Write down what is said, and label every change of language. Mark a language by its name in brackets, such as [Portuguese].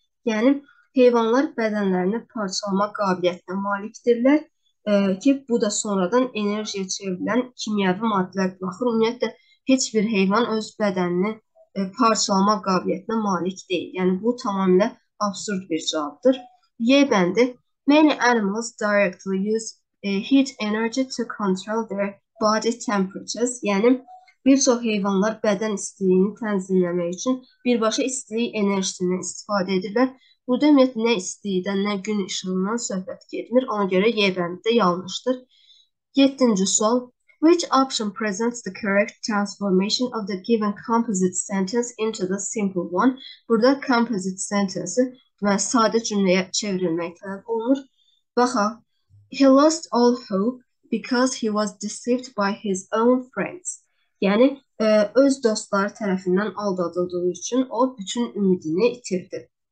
[Azerbaijani] Yəni, heyvanlar bədənlərini parçalama qabiliyyətinə malikdirlər ki, bu da sonradan enerjiyə çevrilən kimyəvi maddələr baxır. Ümumiyyətlə, heç bir heyvan öz bədənini parçalama qabiliyyətinə malik deyil. Yəni, bu tamamilə absurd bir cavabdır. Y bəndi, [English] many animals directly use heat energy to control their body temperatures, [Azerbaijani] yəni bir çox heyvanlar bədən istiliyini tənzimləmək üçün birbaşa istilik enerjisindən istifadə edirlər. Burada ümumiyyətlə nə istilikdən, nə gün işığından söhbət gedmir. Ona görə Y bəndi də yanlışdır. 7-ci sual. [English] Which option presents the correct transformation of the given composite sentence into the simple one? [Azerbaijani] Burada composite sentence-i sadə cümləyə çevrilmək tələb olunur. Baxaq. [English] He lost all hope because he was deceived by his own friends. [Azerbaijani] Yəni, öz dostları tərəfindən aldadıldığı üçün o bütün ümidini itirdi.